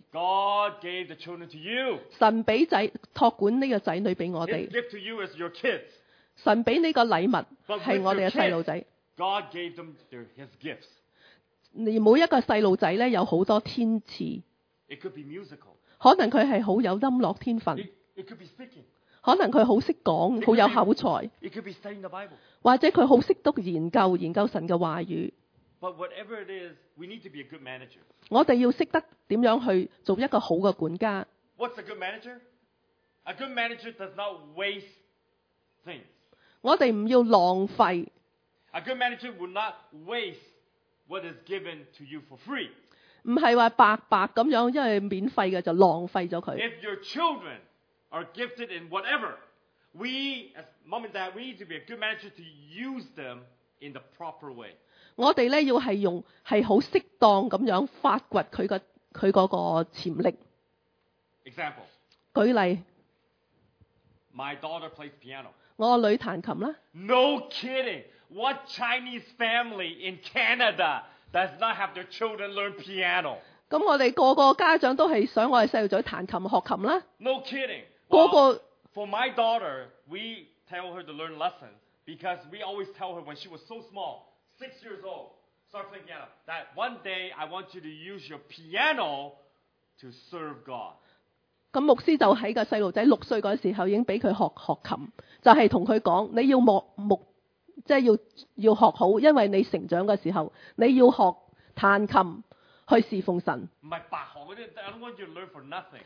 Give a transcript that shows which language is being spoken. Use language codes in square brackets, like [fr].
[en] God gave the children to you. [yue] 神俾仔托管呢个仔女俾我哋。 [en] His gift to you is your kids. [yue] 神俾呢个礼物系我哋嘅细路仔。 [en] God gave them his gifts. [yue] 你每一个细路仔咧有好多天赐。 [en] It could be musical. [yue] 可能佢系好有音乐天分。 [en] It could be speaking. [yue] 可能佢好识讲，好有口才。 [en] It could be studying the Bible. [yue] 或者佢好识读研究，研究神嘅话语。 [en] But whatever it is, we need to be a good manager. [yue] 我哋要识得点样去做一个好嘅管家。 [en] What's a good manager? A good manager does not waste things. [yue] 我哋唔要浪费。 [en] A good manager will not waste what is given to you for free. [yue] 唔系话白白咁样，因为免费嘅就浪费咗佢。 [en] If your children are gifted in whatever, we as mom and dad, we need to be a good manager to use them in the proper way. [yue] 我哋咧要系用系好适当咁样发掘佢嗰个潜力。 [en] Example， [yue] 举例。 [en] My daughter plays piano。 [yue] 我女弹琴啦。 [en] No kidding! What Chinese family in Canada does not have their children learn piano？ [yue] 咁我哋个个家长都系想我哋细路仔弹琴学琴啦。 [en] No kidding！ [yue] 个个。 [en] For my daughter, we tell her to learn lessons because we always tell her when she was so small. 6 years old, start playing piano. That one day I want you to use your piano to serve God. [yue] 咁牧师就喺个细路仔六岁嗰时候已经俾佢学琴，就系同佢讲你要要学好，因为你成长嘅时候你要学弹琴去侍奉神。唔系白学嗰啲 [en] ，I don't want you to learn for nothing.